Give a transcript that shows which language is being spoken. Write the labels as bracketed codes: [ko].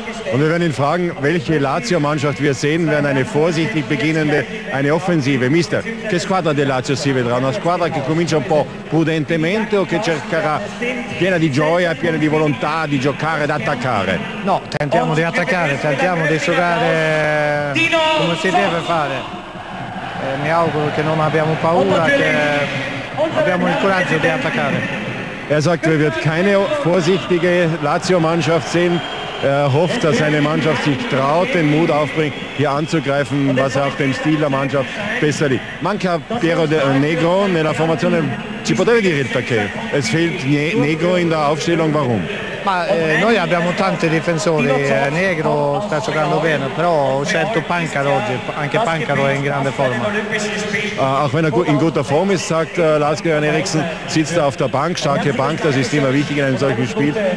[de] Und wir werden ihn fragen, welche Lazio-Mannschaft wir sehen werden, eine vorsichtig beginnende, eine Offensive. [it] Mister, che squadra di Lazio si vedrà? Una squadra che comincia un po' prudentemente o che cercherà piena di gioia, piena di volontà di giocare, di attaccare? No, tentiamo di attaccare, tentiamo di giocare come si deve fare. Mi auguro che non abbiamo paura, che abbiamo il coraggio di attaccare. [de] Er sagt, wir werden keine vorsichtige Lazio-Mannschaft sehen. Er hofft, dass seine Mannschaft sich traut, den Mut aufbringt, hier anzugreifen, was auch dem Stil der Mannschaft besser liegt. [it] Manca Piero Negro nella formazione. Ci poteva dire il perché? [de] Es fehlt Negro in der Aufstellung. Warum? [it] Ma noi abbiamo tanti difensori. Negro sta giocando bene, però ho scelto Pancaro oggi. Anche Pancaro è in grande forma. [de] Auch wenn er in guter Form ist, sagt Lars-Göran Eriksen, sitzt er auf der Bank, starke Bank, das ist immer wichtig in einem solchen Spiel.